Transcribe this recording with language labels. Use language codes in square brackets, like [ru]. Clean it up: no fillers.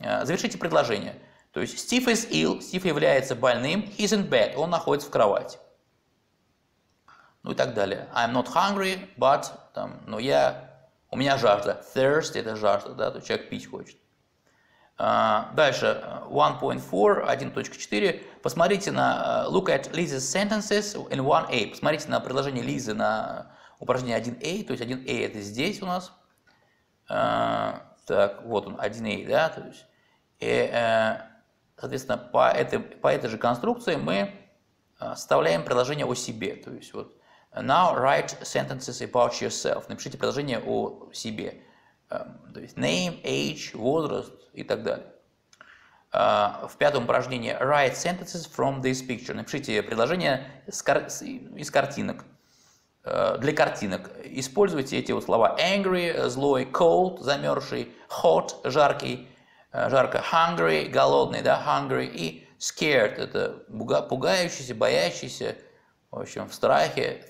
[ru] Завершите предложение. То есть [en] Steve is ill, [ru] Steve является больным, [en] he's in bed, [ru] он находится в кровати. Ну и так далее. [en] I'm not hungry, but, [ru] там, но я, у меня жажда. Thirst – это жажда, да, то человек пить хочет. Дальше, 1.4, 1.4. Посмотрите на, [en] look at Lisa's sentences in 1a. [ru] Посмотрите на предложение Лизы на упражнение 1a, то есть 1a – это здесь у нас. Так, вот он, 1a, да, то есть. И, соответственно, по этой же конструкции мы составляем предложение о себе, то есть вот. [en] Now write sentences about yourself. [ru] Напишите предложение о себе. То есть name, age, возраст и так далее. В пятом упражнении [en] write sentences from this picture. [ru] Напишите предложение из картинок. Для картинок. Используйте эти вот слова. Angry, злой, cold, замерзший, hot, жаркий, жарко, hungry, голодный, да, hungry и scared. Это пугающийся, боящийся. В общем, в страхе.